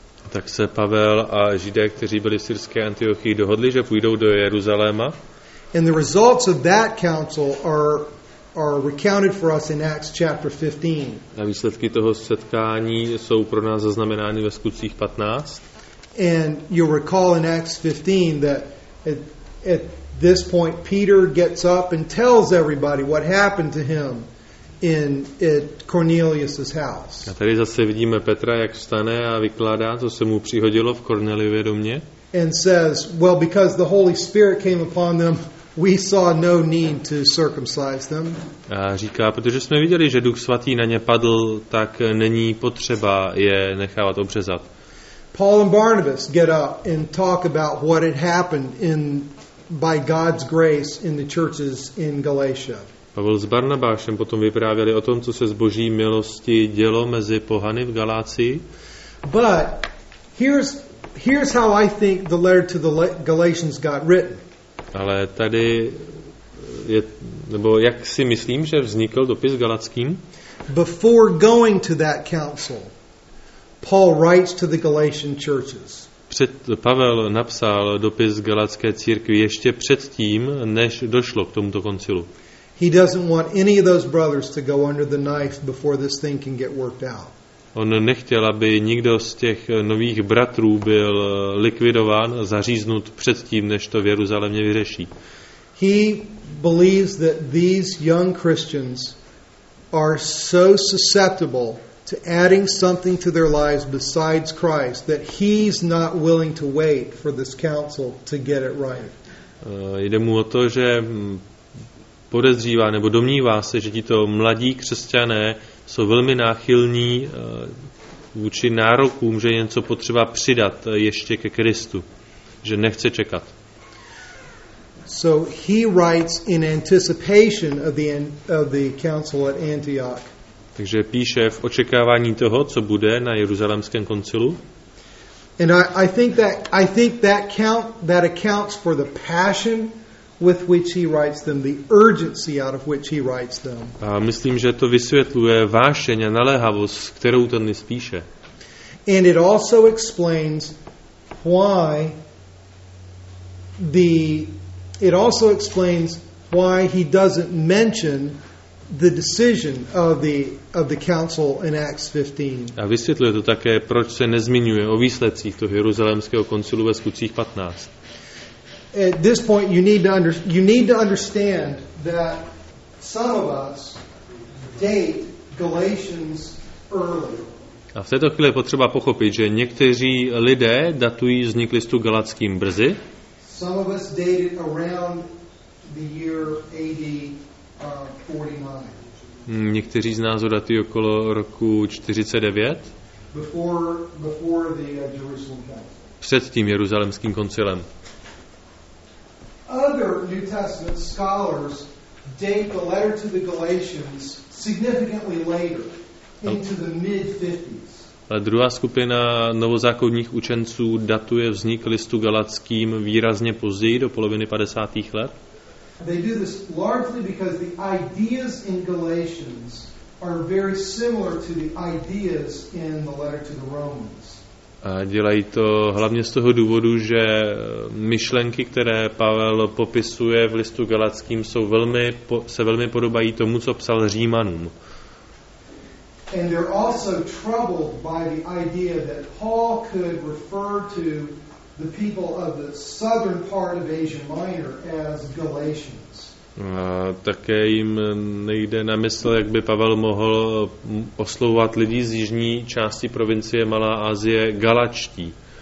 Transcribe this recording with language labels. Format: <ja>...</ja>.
<cs>Tak se Pavel a Židé, kteří byli v syrské Antiochii, dohodli, že půjdou do Jeruzaléma.</cs> <en>And the results of that council are recounted for us in Acts chapter 15.</en> <cs>A výsledky toho setkání jsou pro nás zaznamenány ve Skutcích 15.</cs> <en>And you recall in Acts 15 that at this point Peter gets up and tells everybody what happened to him in at Cornelius's house.</en> <cs>A tady zase vidíme Petra, jak vstane a vykládá, co se mu přihodilo v Korneliově domě.</cs> <en>And says, well, because the Holy Spirit came upon them, we saw no need to circumcise them.</en> <cs>A říká, protože jsme viděli, že Duch svatý na ně padl, tak není potřeba je nechávat obřezat.</cs> <en>Paul and Barnabas get up and talk about what had happened in by God's grace in the churches in Galatia.</en> <cs>Pavel s Barnabášem potom vyprávěli o tom, co se z Boží milosti dělo mezi pohany v Galácii.</cs> <en>But here's how I think the letter to the Galatians got written.</en> <cs>Ale tady je, nebo jak si myslím, že vznikl dopis Galackým?</cs> <en>Before going to that council, Paul writes to the Galatian churches.</en> <cs>Pavel napsal dopis Galatské církvi ještě před tím, než došlo k tomuto koncilu.</cs> <en>He doesn't want any of those brothers to go under the knife before this thing can get worked out.</en> <cs>On nechtěl, aby nikdo z těch nových bratrů byl likvidován, zaříznut před tím, než to v Jeruzalémě vyřeší.</cs> <en>He believes that these young Christians are so susceptible to adding something to their lives besides Christ that he's not willing to wait for this council to get it right.</en> <cs>Jde mu o to, že podezřívá nebo domnívá se, že tito mladí křesťané jsou velmi náchylní vůči nárokům, že něco potřeba přidat ještě ke Kristu, že nechce čekat.</cs> <en>So he writes in anticipation of the council at Antioch.</en> <cs>Takže píše v očekávání toho, co bude na Jeruzalémském koncilu.</cs> <en>And I think that accounts for the passion with which he writes them, the urgency out of which he writes them.</en> <cs>A myslím, že to vysvětluje vášeň a naléhavost, kterou ten list píše.</cs> <en>And it also explains why he doesn't mention the decision of the council in Acts 15.</en> <cs>A vysvětluje to také, proč se nezmiňuje o výsledcích toho Jeruzalémského koncilu ve Skutcích 15.</cs> <en>At this point you need to understand that some of us date Galatians early.</en> <cs>A v této chvíli je potřeba pochopit, že někteří lidé datují vznik listu Galackým brzy.</cs> <en>Some of us date it around the year AD 49.</en> <cs>Někteří z nás datují okolo roku 49.</cs> <en>Before the Jerusalem council.</en> <cs>Před tím Jeruzalemským koncilem.</cs> <en>Other New Testament scholars date the letter to the Galatians significantly later. into the mid-50s.</en> <cs>A druhá skupina novozákonních učenců datuje vznik listu Galackým výrazně později, do poloviny 50. let.</cs> <en>They do this largely because the ideas in Galatians are very similar to the ideas in the letter to the Romans.</en> <cs>A dělají to hlavně z toho důvodu, že myšlenky, které Pavel popisuje v listu Galackým, jsou velmi, se velmi podobají tomu, co psal Římanům.</cs> <en>And they're also troubled by the idea that Paul could refer to the people of the southern part of Asia Minor as Galatians.</en> <cs>A také jim nejde na mysl, jak by Pavel mohl oslovovat lidi z jižní části provincie Malá Asie Galačtí.</cs>